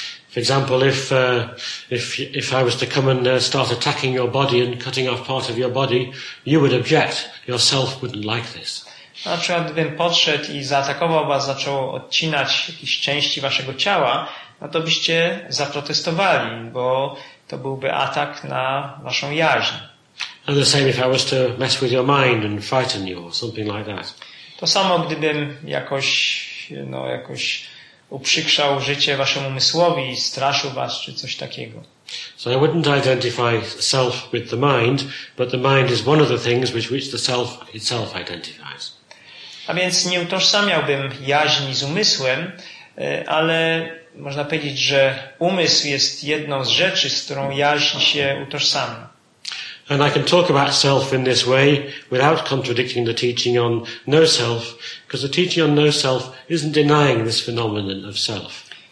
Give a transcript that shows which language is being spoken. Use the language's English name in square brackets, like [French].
[English] For example, if I was to come and start attacking your body and cutting off part of your body, you would object. Yourself wouldn't like this. [Polish] Na przykład gdybym podszedł i zaatakował was, zaczął odcinać jakieś części waszego ciała, no to byście zaprotestowali, bo to byłby atak na waszą jaźń. [English] And the same if I was to mess with your mind and frighten you or something like that. [Polish] To samo gdybym jakoś uprzykrzał życie waszemu umysłowi, straszył was czy coś takiego. [English] So I wouldn't identify self with the mind, but the mind is one of the things which the self itself identifies. [Polish] A więc nie utożsamiałbym jaźni z umysłem, ale można powiedzieć, że umysł jest jedną z rzeczy, z którą jaźń się utożsamia. [English] And I can talk about self in this way without contradicting the teaching on no self, because the teaching on no self isn't denying this phenomenon of self.